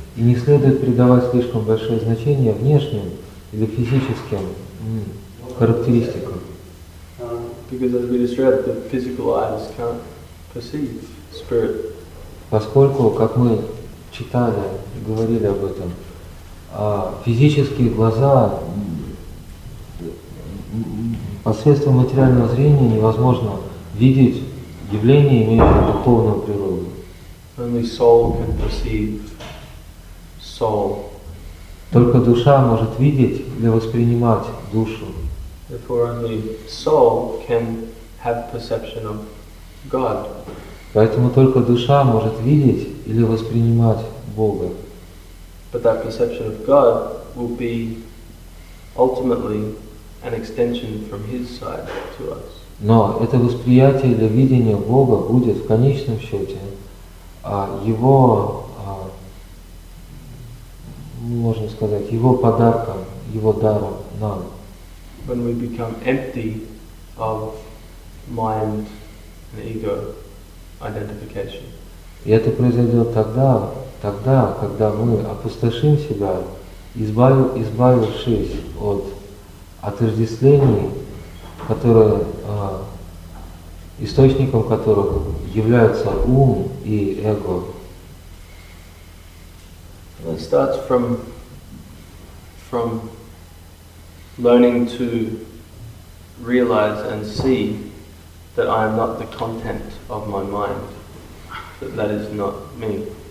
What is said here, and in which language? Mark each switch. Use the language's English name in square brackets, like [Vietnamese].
[Russian] И не следует придавать слишком большое значение внешним или физическим характеристикам. [English] Because as we described, the physical eyes can't perceive spirit. [Russian] Поскольку, как мы читали и говорили об этом, физические глаза посредством материального зрения невозможно видеть явление, имеющее духовную природу. [English] Only soul can perceive soul. [Russian] Только душа может видеть или воспринимать душу. [English] Therefore, only soul can have perception of God. [Russian] Поэтому только душа может видеть или воспринимать Бога. [English] But that perception of God will be ultimately an extension from his side to us. [Russian] Но это восприятие или видение Бога будет в конечном счете его, можно сказать, его подарком, его даром нам. [English] When we become empty of mind and ego identification. [Russian] И это произойдет тогда, когда мы опустошим себя, избавившись от отождествлений, которые источником которых являются ум и эго. [English] It starts from learning to realize and see that I am not the content of my mind, that that is not me.